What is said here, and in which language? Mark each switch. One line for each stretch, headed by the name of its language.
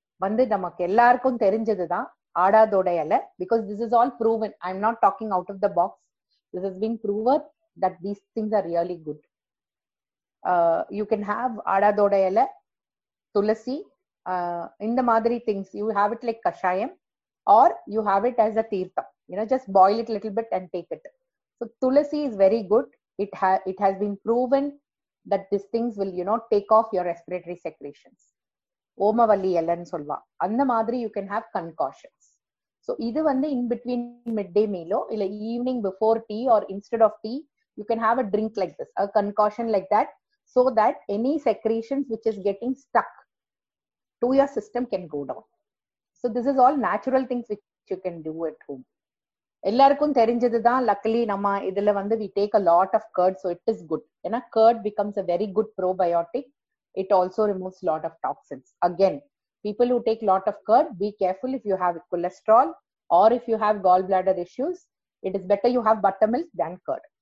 Tamil: வந்து நமக்கு எல்லாருக்கும் தெரிஞ்சதுதான் ஆடாதோடையல.
English: Because this is all proven, I am not talking out of the box, this is being proven that these things are really good. You can have ஆடாதோடையல, துளசி, இந்த மாதிரி things. You have it like kashayam, or you have it as a theertham, you know, just boil it little bit and take it. So Tulasi is very good. It has been proven that these things will, you know, take off your respiratory secretions.
Tamil: Omavalli ellan solva. Andha madri
English: you can have concoctions. So
Tamil: idu vandu
English: in between midday meal or
Tamil: illa
English: evening before tea or instead of tea, you can have a drink like this, a concoction like that, so that any secretions which is getting stuck to your system can go down. So this is all natural things which you can do at home.
Tamil: எல்லாருக்கும் தெரிஞ்சதுதான்.
English: luckily
Tamil: நம்ம இதுல வந்து
English: We take a lot of curd, so it is good. ஏன்னா curd becomes a very good probiotic, it also removes lot of toxins. Again, people who take lot of curd, be careful if you have cholesterol or if you have gall bladder issues, it is better you have butter milk than curd.